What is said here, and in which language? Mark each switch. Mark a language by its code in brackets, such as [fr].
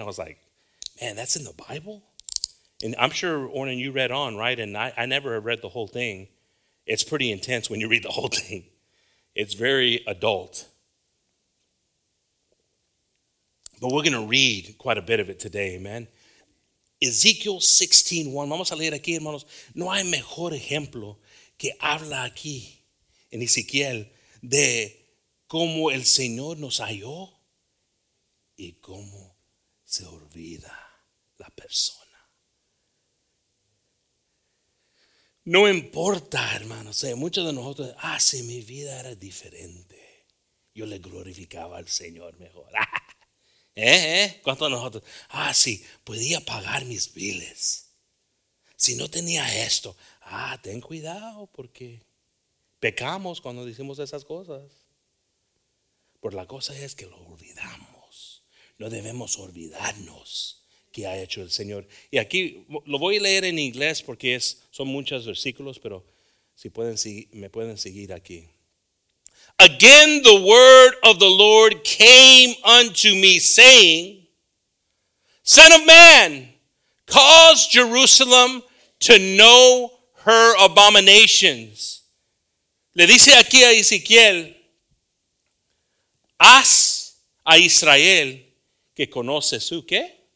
[en] I was like, man, that's in the Bible? And I'm sure, Ornan, you read on, right? And I never have read the whole thing. It's pretty intense when you read the whole thing. It's very adult. But we're going to read quite a bit of it today, amen? [es] Ezekiel 16:1. Vamos a leer aquí, hermanos. No hay mejor ejemplo que habla aquí en Ezequiel de cómo el Señor nos halló y cómo se olvida la persona. No importa, hermanos. Muchos de nosotros, si mi vida era diferente, yo le glorificaba al Señor mejor. ¿Cuántos de nosotros? Sí, podía pagar mis biles. Si no tenía esto, ten cuidado porque pecamos cuando decimos esas cosas. Pero la cosa es que lo olvidamos. No debemos olvidarnos que ha hecho el Señor. Y aquí lo voy a leer en inglés porque son muchos versículos, pero si pueden, me pueden seguir aquí. [en] Again the word of the Lord came unto me, saying, Son of man, cause Jerusalem to know her abominations. [es] Le dice aquí a Ezequiel, haz a Israel que conoce su, ¿qué?